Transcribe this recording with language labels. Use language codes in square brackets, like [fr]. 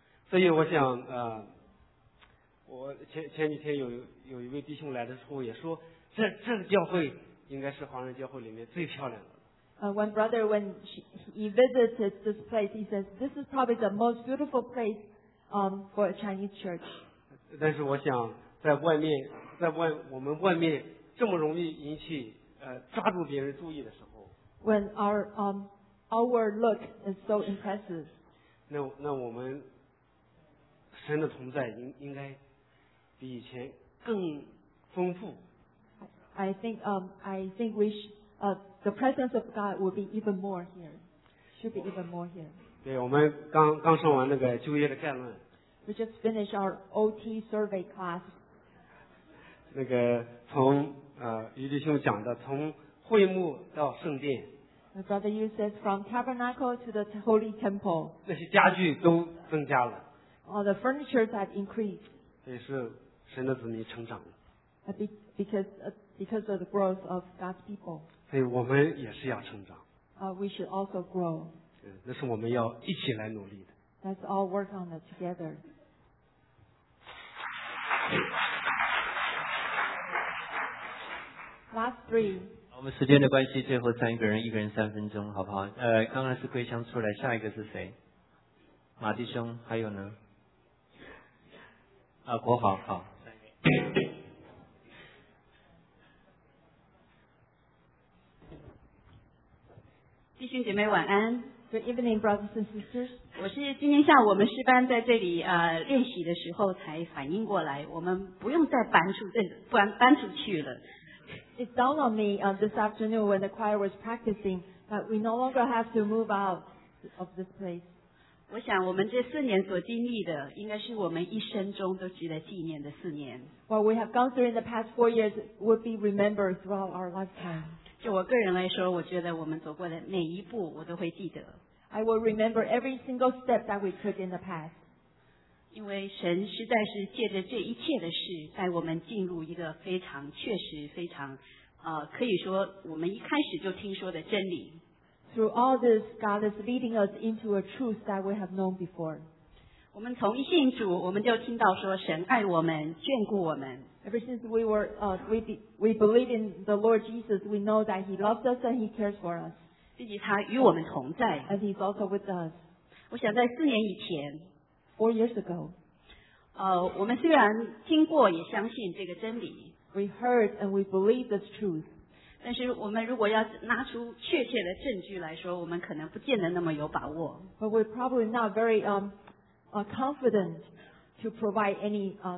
[zh] 所以我想我前几天有一位弟兄来的时候也说这个教会应该是华人教会里面最漂亮的。 [en] One brother, when he visited this place, he says, this is probably the most beautiful place for a Chinese church. [zh] 但是我想在外面我们外面这么容易引起抓住别人注意的时候 [en] when our look is so impressive [zh] 那我们神的同在应该比以前更丰富。 [en] I think we should, the presence of God will be even more here. Should be even more here. [zh] 对，我们刚上完那个就业的概论。 [en] We just finished our OT survey class. [zh] 那个从余弟兄讲的，从会幕到圣殿。 [en] Brother Yu says from tabernacle to the holy temple. [zh] 那些家具都增加了。 [en] All the furniture that increased. [zh] 也是神的子民成长了。 [en] Because of the growth of God's people. [zh] 所以我们也是要成长。 [en] We should also grow. [zh] 那是我们要一起来努力的。 [en] Let's all work on it together. [zh] 我们时间的关系，最后三个人，一个人三分钟，好不好？刚刚是桂香出来，下一个是谁？马弟兄，还有呢？国豪，好。弟兄姐妹晚安。 [en] Good evening, brothers and sisters. [zh] 我是今天下午我们诗班在这里练习的时候才反应过来，我们不用再搬出去了。 [en] It dawned on me this afternoon when the choir was practicing that we no longer have to move out of this place. [zh] 我想我们这四年所经历的应该是我们一生中都值得纪念的四年。 [en] What we have gone through in the past 4 years would be remembered throughout our lifetime. [zh] 就我个人来说，我觉得我们走过的每一步我都会记得。 [en] I will remember every single step that we took in the past. [zh] 因为神实在是借着这一切的事带我们进入一个非常确实非常可以说我们一开始就听说的真理。 [en] Through all this, God is leading us into a truth that we have known before. [zh] 我们从一信主，我们就听到说神爱我们，眷顾我们。 [en] Ever since we believe in the Lord Jesus, we know that He loves us and He cares for us. [zh] 并且他与我们同在。 [en] And He's also with us. [zh] 我想在四年以前。 [en] Four years ago. [zh] 我们虽然听过也相信这个真理。 [en] We heard and we believe this truth. [zh] 但是我们如果要拿出确切的证据来说，我们可能不见得那么有把握。 [en] But we're probably not very confident to provide any